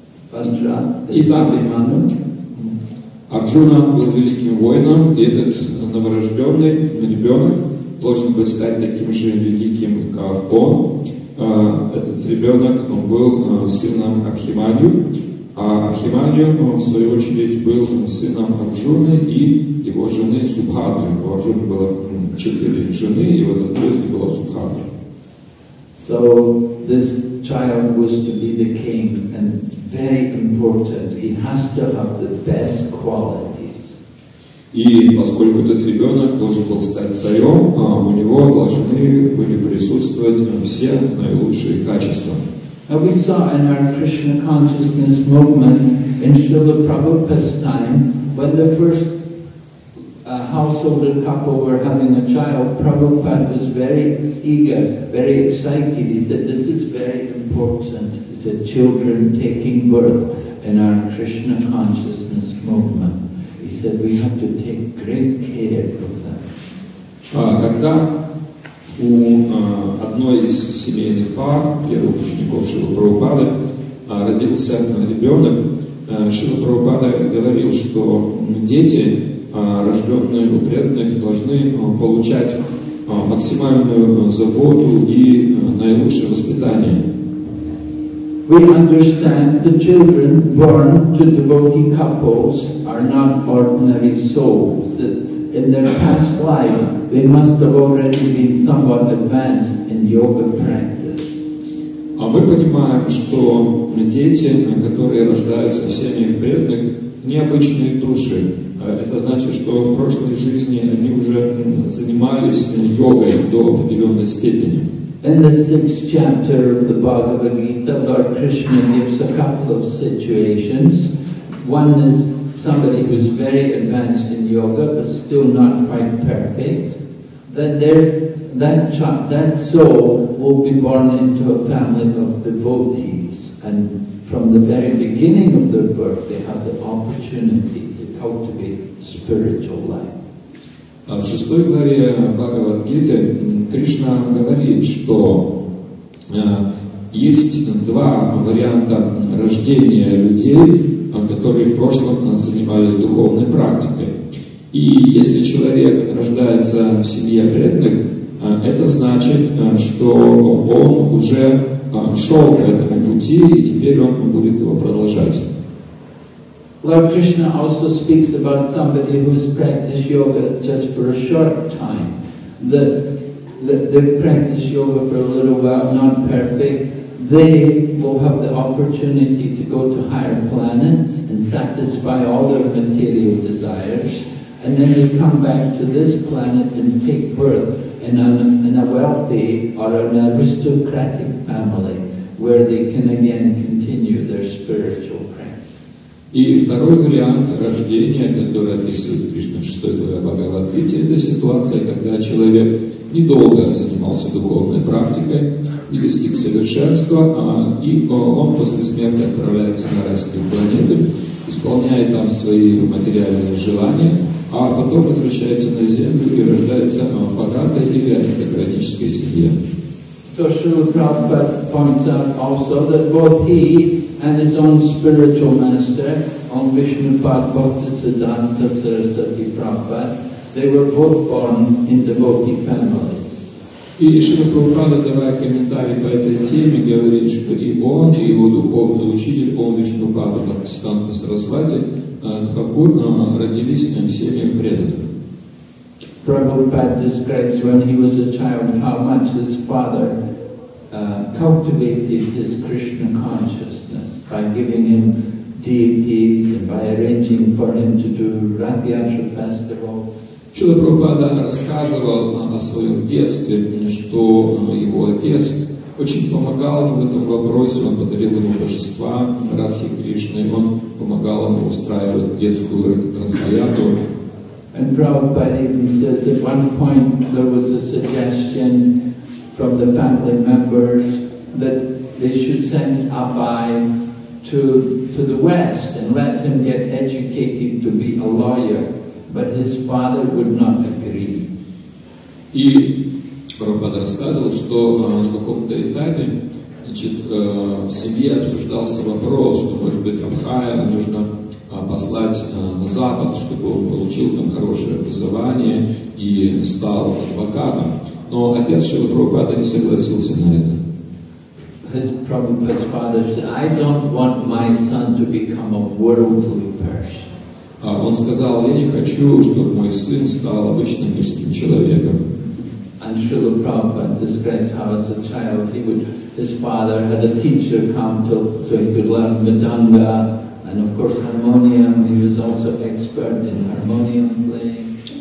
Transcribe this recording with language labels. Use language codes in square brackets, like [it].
[ru] Итак, Арджуна был великим воином, и этот новорожденный ребенок должен был стать таким же великим, как он. Этот ребенок был сыном Абхиманию, а Абхиманию, в свою очередь, был сыном Арджуны и его жены Субхадры. У Арджуны было 4 жены, и в этот момент была Субхадра. [en] So this child was to be the king, and it's very important. He has to have the best qualities. [ru] И поскольку этот ребенок должен был стать царем, у него должны были присутствовать все наилучшие качества. [en] Now we saw in our Krishna consciousness movement in Srila Prabhupada's time, when the first householder couple were having a child, Prabhupada was very eager, very excited. He said, "This is very important." He said, "Children taking birth in our Krishna consciousness movement." He said, "We have to take great care of them." [ru] Когда у одной из семейных пар, первых учеников Шрилы Прабхупады, родился ребенок, Шрила Прабхупада говорил, что дети, рожденные у преданных, должны получать максимальную заботу и наилучшее воспитание. [en] We understand the children born to devotee couples are not ordinary souls. In their past life, they must have already been somewhat advanced in yoga practice. [ru] А мы понимаем, что дети, которые рождаются в семьях преданных, необычные души. Это значит, что в прошлой жизни они уже занимались йогой до определенной степени. [en] In the 6th chapter of the Bhagavad Gita, Lord Krishna gives a couple of situations. One is somebody who is very advanced in yoga, but still not quite perfect. Then that soul will be born into a family of devotees, and from the very beginning of their birth, they have the opportunity to cultivate spiritual life. [ru] В 6 главе Бхагавад Гиты Кришна говорит, что есть два варианта рождения людей, которые в прошлом занимались духовной практикой. И если человек рождается в семье преданных, это значит, что он уже шел к этому пути, и теперь он будет его продолжать. [en] Lord Krishna also speaks about somebody who has practiced yoga just for a short time. They practice yoga for a little while, not perfect. They will have the opportunity to go to higher planets and satisfy all their material desires, and then they come back to this planet and take birth in a wealthy or an aristocratic family, where they can again continue their spiritual practice. [ru] И второй вариант рождения, который описывает Кришна в 6 главе Бхагавад-гиты, это ситуация, когда человек недолго занимался духовной практикой и достиг совершенства, и он после смерти отправляется на райские планеты, исполняет там свои материальные желания, а потом возвращается на Землю и рождается богатой или аристократической семье. [en] So Srila Prabhupada points out also that both he and his own spiritual master, Om Vishnupad Bhaktisiddhanta Sarasati Prabhupada, they were both born in devotee families. [ru] И Шрила Прабхупада, давая комментарий по этой теме, говорит, что и он, и его духовный учитель, Ом Вишнупада Бхактисиддханта Сарасвати Тхакур, родились в семьях преданных. [en] Прабхупад describes when he was a child how much his father cultivated his Krishna consciousness by giving him deities and by arranging for him to do Ratha-yatra festival. [ru] Шрила Прабхупада рассказывал о своем детстве, что его отец очень помогал ему в этом вопросе, он подарил ему божества Радхи Кришны, он помогал ему устраивать детскую Радхаяту. [en] And Prabhupada even says at one point there was a suggestion from the family members that they should send Abai to the West and let him get educated to be a lawyer. But his father would not agree. [ru] И Прабхупада рассказывал, что на каком-то этапе, значит, в семье обсуждался вопрос, что, может быть, Абхая нужно послать на Запад, чтобы он получил там хорошее образование и стал адвокатом. Но отец Шрилы Прабхупады не согласился на это. [en] His Prabhupada's father said, I don't want my son to become a worldly person. [ru] Он сказал, я не хочу, чтобы мой сын стал обычным мирским человеком. [en] And Srila Prabhupada describes how as a child he would, his father had a teacher come to, so he could learn Madanga and of course harmonium, he was also expert in harmonium playing.